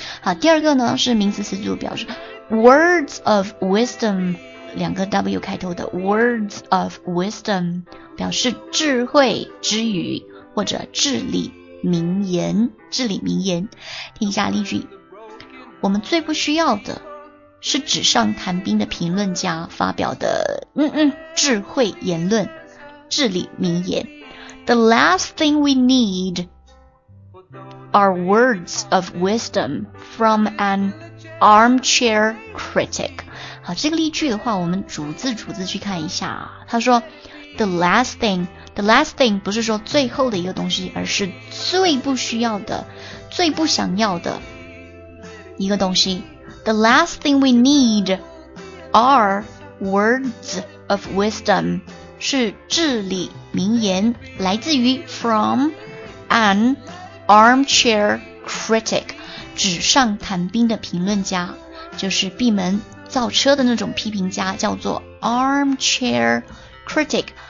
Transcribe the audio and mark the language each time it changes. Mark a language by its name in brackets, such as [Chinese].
[Chinese] 好，第二个呢，是名词词组表示 [English] words of wisdom, [Chinese] 两个 W 开头的 words of wisdom, 表示智慧之语或者至理名言，至理名言。听一下例句，我们最不需要的是纸上谈兵的评论家发表的智慧言论，至理名言。 [English] The last thing we need are words of wisdom from an armchair critic. [Chinese] 好，这个例句的话我们逐字逐字去看一下啊。他说 [English] The last thing， [Chinese] The last thing 不是说最后的一个东西，而是最不需要的，最不想要的一个东西。 [English] The last thing we need are words of wisdom， [Chinese] 是至理名言，来自于 [English] from an armchair critic， [Chinese] 纸上谈兵的评论家，就是闭门造车的那种批评家，叫做 armchair critic。